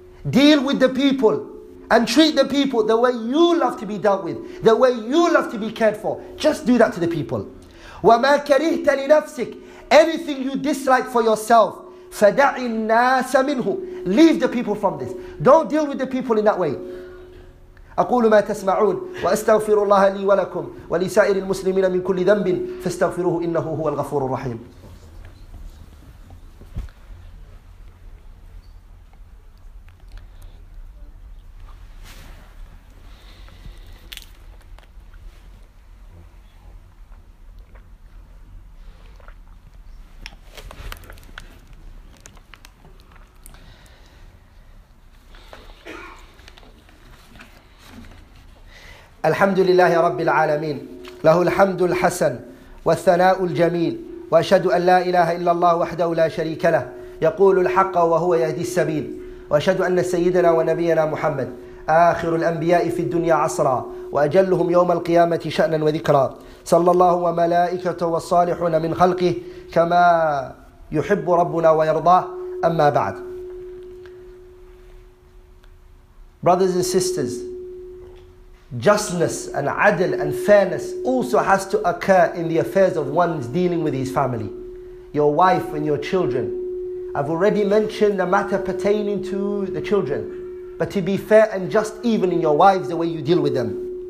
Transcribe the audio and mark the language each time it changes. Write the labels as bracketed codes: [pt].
[en] Deal with the people and treat the people the way you love to be dealt with, the way you love to be cared for. Just do that to the people. [ar] وَمَا كَرِهْتَ لِنَفْسِكَ, [en] anything you dislike for yourself, [ar] فَدَعِ النَّاسَ مِنْهُ, [en] leave the people from this. Don't deal with the people in that way. [ar] أقول ما تسمعون وأستغفر الله لي ولكم ولسائر المسلمين من كل ذنب فاستغفروه إنه هو الغفور الرحيم. الحمد لله رب العالمين له الحمد الحسن والثناء الجميل وأشهد أن لا إله إلا الله وحده لا شريك له يقول الحق وهو يهدي السبيل وأشهد أن سيدنا ونبينا محمد آخر الأنبياء في الدنيا عصرا وأجلهم يوم القيامة شأنا وذكرا صلى الله وملائكته والصالحون من خلقه كما يحب ربنا ويرضاه أما بعد. [en] Brothers and sisters, justness and adl and fairness also has to occur in the affairs of one's dealing with his family, your wife and your children. I've already mentioned the matter pertaining to the children, but to be fair and just even in your wives, the way you deal with them.